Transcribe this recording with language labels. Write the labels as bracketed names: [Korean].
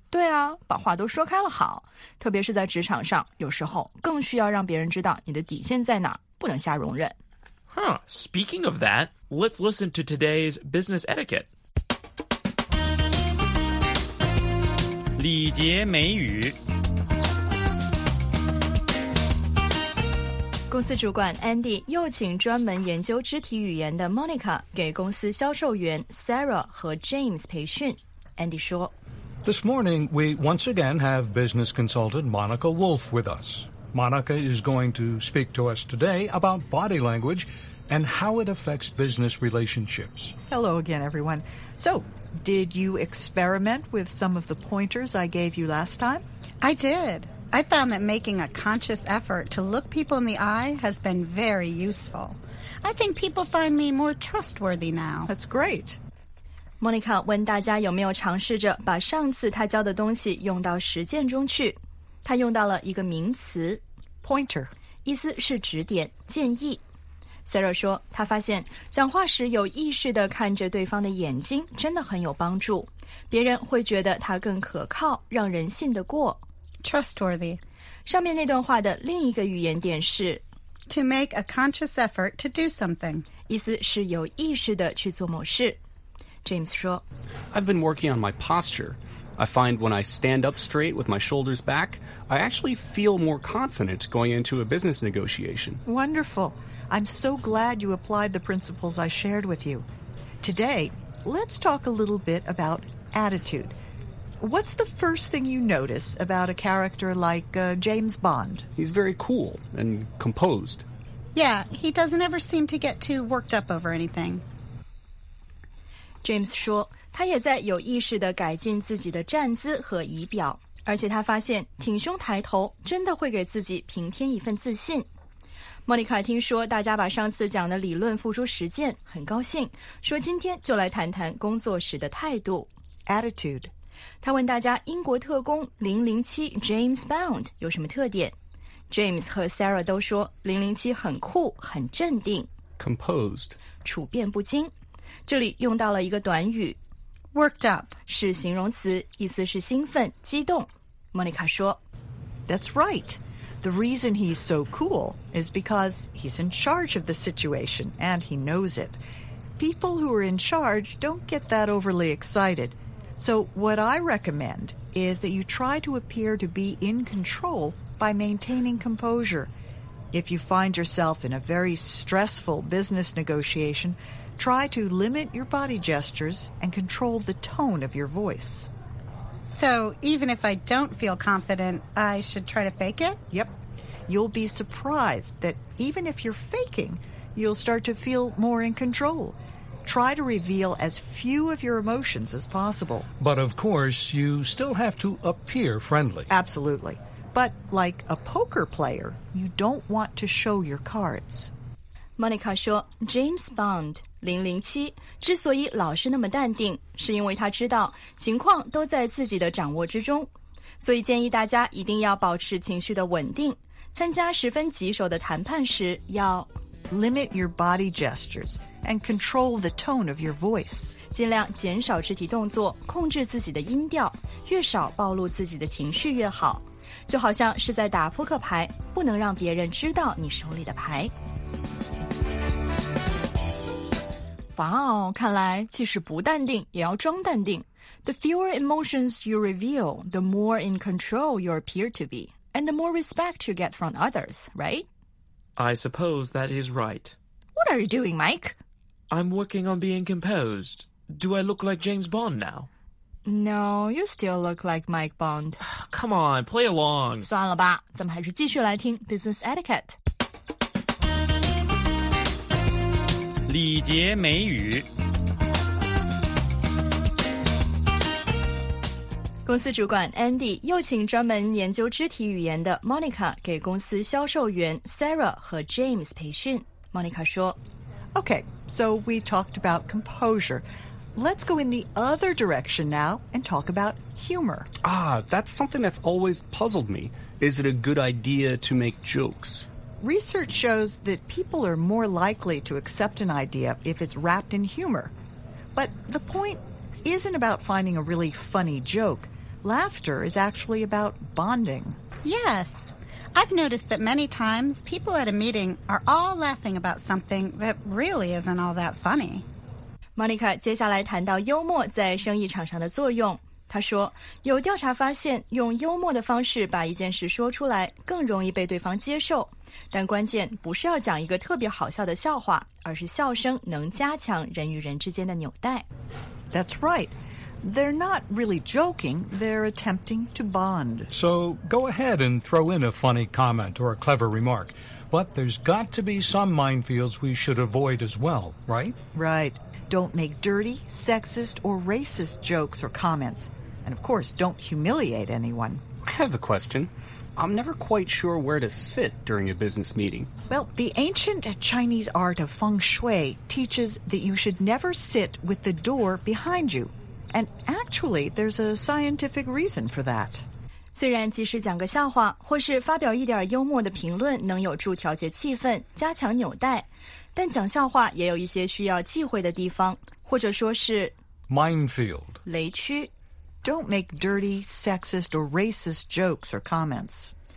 [Chinese] 对啊把话都说开了好。特别是在职场上有时候更需要让别人知道你的底线在哪不能瞎容忍。 Huh. [English] Speaking of that, let's listen to today's business etiquette. [Chinese] 礼节美语。公司主管 Andy 又请专门研究肢体语言的 Monica 给公司销售员 Sarah 和 James 培训。 Andy 说 [English] This morning, we once again have business consultant Monica Wolf with us. Monica is going to speak to us today about body language,and how it affects business relationships. Hello again, everyone. So, did you experiment with some of the pointers I gave you last time? I did. I found that making a conscious effort to look people in the eye has been very useful. I think people find me more trustworthy now. That's great. [Chinese] Monica 问大家有没有尝试着把上次她教的东西用到实践中去。她用到了一个名词 [English] Pointer. [Chinese] 意思是指点、建议。 Sarah 说他发现讲话时有意识地看着对方的眼睛真的很有帮助别人会觉得他更可靠让人信得过 [English] Trustworthy [Chinese] 上面那段话的另一个语言点是 [English] To make a conscious effort to do something [Chinese] 意思是有意识地去做某事 James 说 [English] I've been working on my posture I find when I stand up straight with my shoulders back I actually feel more confident going into a business negotiation Wonderful I'm so glad you applied the principles I shared with you. Today, let's talk a little bit about attitude. What's the first thing you notice about a character like James Bond? He's very cool and composed. Yeah, he doesn't ever seem to get too worked up over anything. [Chinese] James 说，他也在有意识地改进自己的站姿和仪表，而且他发现挺胸抬头真的会给自己平添一份自信。莫妮卡听说大家把上次讲的理论付诸实践，很高兴，说今天就来谈谈工作时的态度 [English] Attitude。 [Chinese] 他问大家英国特工007 James Bond 有什么特点。 James 和 Sarah 都说007很酷，很镇定 [English] Composed， [Chinese] 处变不惊。这里用到了一个短语 [English] Worked up， [Chinese] 是形容词，意思是兴奋、激动。 Monica 说 [English] That's right. The reason he's so cool is because he's in charge of the situation and he knows it. People who are in charge don't get that overly excited. So what I recommend is that you try to appear to be in control by maintaining composure. If you find yourself in a very stressful business negotiation,Try to limit your body gestures and control the tone of your voice. So, even if I don't feel confident, I should try to fake it? Yep. You'll be surprised that even if you're faking, you'll start to feel more in control. Try to reveal as few of your emotions as possible. But of course, you still have to appear friendly. Absolutely. But like a poker player, you don't want to show your cards. [Chinese] Monica 说 James Bond. 007之所以老是那么淡定，是因为他知道情况都在自己的掌握之中，所以建议大家一定要保持情绪的稳定，参加十分棘手的谈判时要 [English] limit your body gestures and control the tone of your voice， [Chinese] 尽量减少肢体动作，控制自己的音调，越少暴露自己的情绪越好，就好像是在打扑克牌，不能让别人知道你手里的牌。哇哦，看来即使不淡定也要装淡定。 [English] The fewer emotions you reveal, the more in control you appear to be, and the more respect you get from others, right? I suppose that is right. What are you doing, Mike? I'm working on being composed. Do I look like James Bond now? No, you still look like Mike Bond. Come on, play along. [Chinese] 算了吧，咱们还是继续来听 Business Etiquette。礼节美语。公司主管 Andy 又请专门研究肢体语言的 Monica 给公司销售员 Sarah 和 James 培训。 Monica 说 [English] Okay, so we talked about composure. Let's go in the other direction now and talk about humor. Ah, that's something that's always puzzled me. Is it a good idea to make jokes? Research shows that people are more likely to accept an idea if it's wrapped in humor. But the point isn't about finding a really funny joke. Laughter is actually about bonding. Yes. I've noticed that many times people at a meeting are all laughing about something that really isn't all that funny. [Chinese] Monica 接下来谈到幽默在生意场上的作用。她说，有调查发现，用幽默的方式把一件事说出来，更容易被对方接受。但关键不是要讲一个特别好笑的笑话，而是笑声能加强人与人之间的纽带。 [English] That's right. They're not really joking. They're attempting to bond. So go ahead and throw in a funny comment or a clever remark. But there's got to be some minefields we should avoid as well, right? Right. Don't make dirty, sexist, or racist jokes or comments. And of course, don't humiliate anyone. I have a question. I'm never quite sure where to sit during a business meeting. Well, the ancient Chinese art of feng shui teaches that you should never sit with the door behind you. And actually, there's a scientific reason for that. [Chinese] 虽然即使讲个笑话或是发表一点幽默的评论能有助调节气氛，加强纽带，但讲笑话也有一些需要忌讳的地方，或者说是 [English] minefield [Chinese] 雷区。 [English] Don't make dirty, sexist, or racist jokes or comments.